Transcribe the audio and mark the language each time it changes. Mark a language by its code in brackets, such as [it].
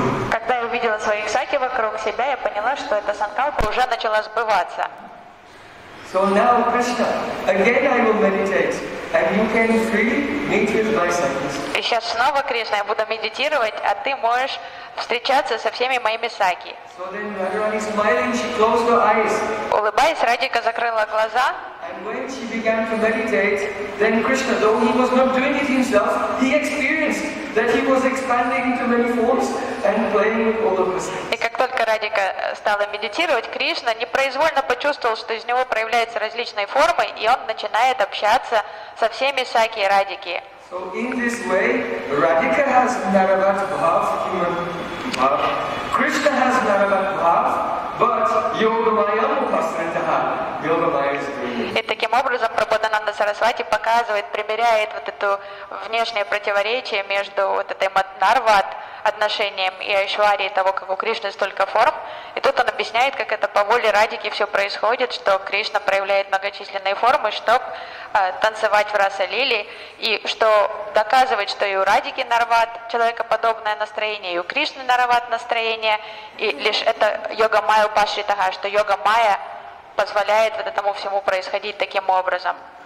[ru] Когда я увидела своих саки вокруг себя, я поняла, что эта санкалпа уже начала сбываться. [en] So now, Krishna, again I will meditate, and you can freely meet with my sakis. [ru] И сейчас снова, Кришна, я буду медитировать, а ты можешь встречаться со всеми моими саки. [en] So then Radharani, smiling, she closed her eyes. [ru] Улыбаясь, Радика закрыла глаза. [en] And when she began to meditate, then Krishna, though he was not doing it himself, he experienced that he was expanding into many forms and playing with all of his sakis. [ru] только Радика стала медитировать, Кришна непроизвольно почувствовал, что из него проявляются различные формы, и он начинает общаться со всеми Шаки и Радики. [en] So in this way, Radhika has Naravat Bhav, human Bhav. Krishna has Naravat Bhav, but Yogamaya Upasrita Bhav. Yogamaya is free. [ru] И таким образом Прабхудананда Сарасвати показывает, примеряет вот это внешнее противоречие между вот этой Нарват отношением и Айшварией того, как у Кришны столько форм. И тут он объясняет, как это по воле Радики все происходит, что Кришна проявляет многочисленные формы, чтобы танцевать в Раса-лиле, и что доказывает, что и у Радики Нарват человекоподобное настроение, и у Кришны Нарват настроение, и лишь это йога майя упашритаха, что йога майя позволяет вот этому всему происходить таким образом.